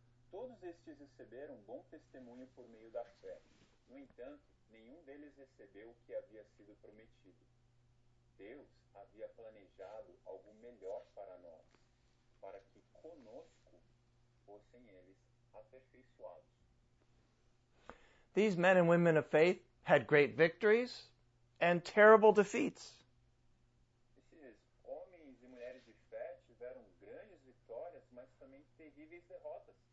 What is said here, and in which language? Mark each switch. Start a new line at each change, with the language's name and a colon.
Portuguese: Todos estes receberam bom testemunho por meio da fé. No entanto, nenhum deles recebeu o que havia sido prometido. Deus havia planejado algo melhor para nós, para que conosco fossem eles aperfeiçoados.
English: These men and women of faith had great victories and terrible defeats.
Portuguese: Esses homens e mulheres de fé tiveram grandes vitórias, mas também terríveis derrotas.